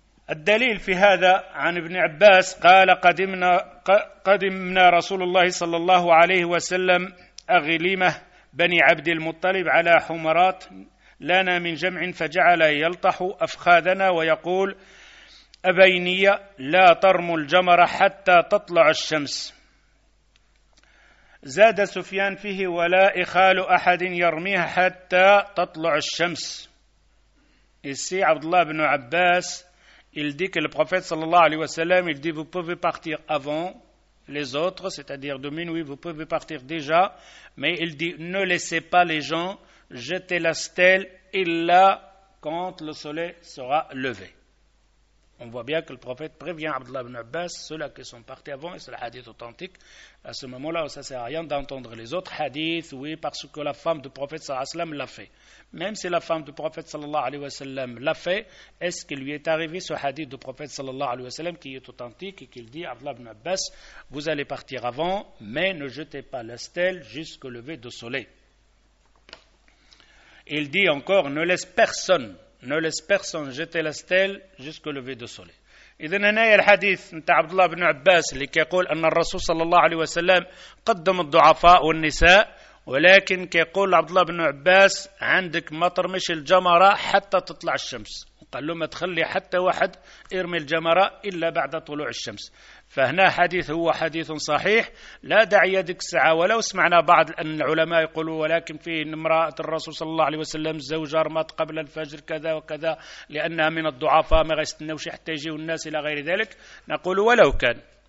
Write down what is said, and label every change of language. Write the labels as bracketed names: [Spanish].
[Arabic] الدليل في هذا عن ابن عباس قال قدمنا رسول الله صلى الله عليه وسلم أغليمة بني عبد المطلب على حمرات لنا من جمع فجعل يلطح أفخاذنا ويقول أبيني لا ترموا الجمر حتى تطلع الشمس زاد سفيان فيه ولا إخال أحد يرميها حتى تطلع الشمس [French] Ici, Abdullah ibn Abbas, il dit que le prophète sallallahu alayhi wa sallam, il dit vous pouvez partir avant les autres, c'est-à-dire de minuit, vous pouvez partir déjà, mais il dit ne laissez pas les gens jeter la stèle illa quand le soleil sera levé. On voit bien que le prophète prévient Abdullah ibn Abbas, ceux-là qui sont partis avant, et c'est le hadith authentique, à ce moment-là, ça ne sert à rien d'entendre les autres hadiths, oui, parce que la femme du prophète sallallahu alayhi wa sallam l'a fait. Même si la femme du prophète sallallahu alayhi wa sallam l'a fait, est-ce qu'il lui est arrivé ce hadith du prophète sallallahu alayhi wa sallam qui est authentique et qu'il dit à Abdullah ibn Abbas, vous allez partir avant, mais ne jetez pas la stèle jusqu'au lever du soleil. Il dit encore, ne laisse personne. Ne laisse personne jeter la stèle jusqu'au lever du soleil. [Arabic] إذن هنا الحديث نتاع عبد الله بن عباس اللي كيقول أن الرسول صلى الله عليه وسلم قدم الضعفاء والنساء ولكن كيقول عبد الله بن عباس عندك ما ترمش الجمرة حتى تطلع الشمس قال له ما تخلي حتى واحد يرمي الجمرة إلا بعد طلوع الشمس فهنا حديث هو حديث صحيح لا داعي ديك الساعة ولو سمعنا بعض أن العلماء يقولوا ولكن في امرأة الرسول صلى الله عليه وسلم الزوجة رمت قبل الفجر كذا وكذا لأنها من الضعفاء ما غيستناوش حتى يجيو الناس إلى غير ذلك نقول ولو كان